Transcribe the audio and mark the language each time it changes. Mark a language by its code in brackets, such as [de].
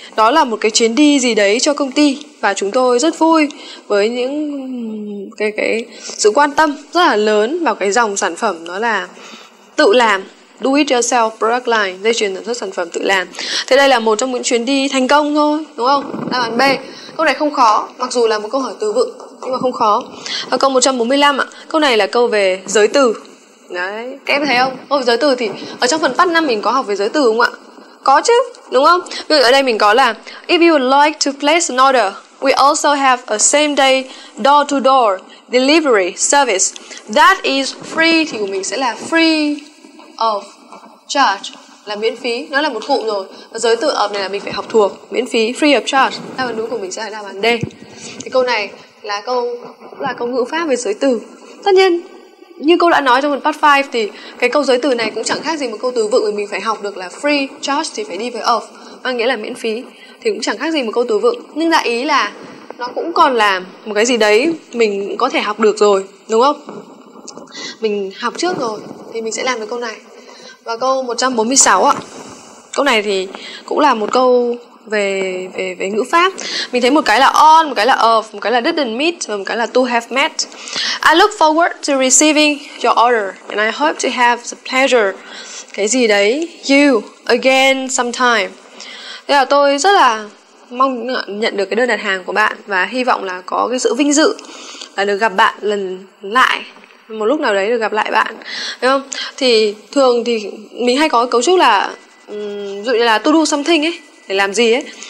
[vi] Đó là một cái chuyến đi gì đấy cho công ty, và chúng tôi rất vui với những cái sự quan tâm rất là lớn vào cái dòng sản phẩm, đó là tự làm, [en] do it yourself product line, [vi] dây chuyền sản xuất sản phẩm tự làm. Thế đây là một trong những chuyến đi thành công thôi, đúng không? Đáp án B. Câu này không khó, mặc dù là một câu hỏi từ vựng nhưng mà không khó. Và câu 145 ạ, câu này là câu về giới từ. Đấy, các em thấy không? Câu về giới từ thì ở trong phần phát năm mình có học về giới từ không ạ? Có chứ, đúng không? Ví dụ ở đây mình có là [en] if you would like to place an order, we also have a same day door to door delivery service that is free. [vi] Thì của mình sẽ là [en] free of charge, [vi] là miễn phí. Nó là một cụm rồi. Và giới từ of này là mình phải học thuộc, miễn phí, [en] free of charge. [vi] Đáp án đúng của mình sẽ là đáp án D. Thì câu này là câu ngữ pháp về giới từ. Tất nhiên như cô đã nói trong phần part 5 thì cái câu giới từ này cũng chẳng khác gì một câu từ vựng, vì mình phải học được là free charge thì phải đi với of, mang nghĩa là miễn phí, thì cũng chẳng khác gì một câu từ vựng. Nhưng đại ý là nó cũng còn là một cái gì đấy mình có thể học được rồi, đúng không? Mình học trước rồi thì mình sẽ làm được câu này. Và câu 146 ạ, câu này thì cũng là một câu về ngữ pháp. Mình thấy một cái là on, một cái là of, một cái là [en] didn't meet [vi] và một cái là [en] to have met. I look forward to receiving your order and I hope to have the pleasure [vi] cái gì đấy [en] you again sometime. [vi] Thế là tôi rất là mong nhận được cái đơn đặt hàng của bạn và hy vọng là có cái sự vinh dự là được gặp bạn lần lại, một lúc nào đấy được gặp lại bạn, đúng không? Thì thường thì mình hay có cấu trúc là ví dụ như là [en] to do something [vi] ấy, để làm gì ấy.